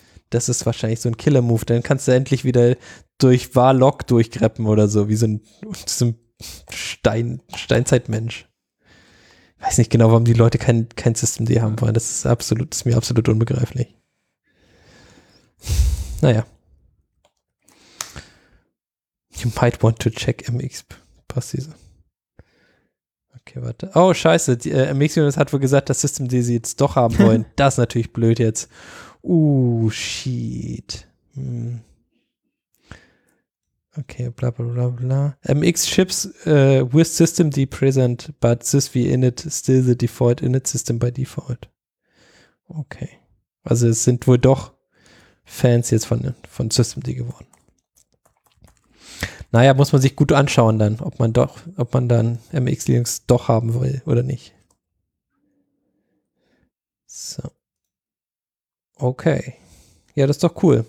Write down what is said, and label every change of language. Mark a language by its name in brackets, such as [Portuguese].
[German] Das ist wahrscheinlich so ein Killer-Move. Dann kannst du endlich wieder durch Warlock durchgreppen oder so, wie so ein Steinzeitmensch. Ich weiß nicht genau, warum die Leute kein System D haben wollen. Das ist mir absolut unbegreiflich. Naja. [English] You might want to check MX. [German] Passt diese. Okay, warte. Oh, scheiße. MX-Unis hat wohl gesagt, dass System D sie jetzt doch haben wollen. Das ist natürlich blöd jetzt. Shit. Okay, bla bla bla bla. [English] MX ships with system D present, but sysv init still the default init system by default. [German] Okay. Also es sind wohl doch Fans jetzt von system D geworden. Naja, muss man sich gut anschauen dann, ob man dann MX Linux doch haben will oder nicht. So. Okay. Ja, das ist doch cool.